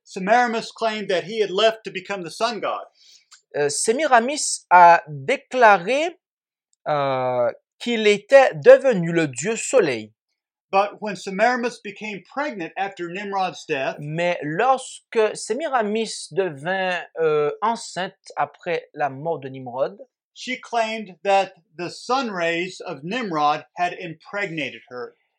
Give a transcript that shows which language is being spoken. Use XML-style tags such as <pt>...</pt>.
<en>Sémiramis claimed that he had left to become the sun god.</en> <fr>Sémiramis a déclaré qu'il était devenu le dieu soleil.</fr> <en>But when Semiramis became pregnant after Nimrod's death,</en> <fr>mais lorsque Semiramis devint enceinte après la mort de Nimrod,</fr> <en>she claimed that the sun rays of Nimrod had impregnated her.</en>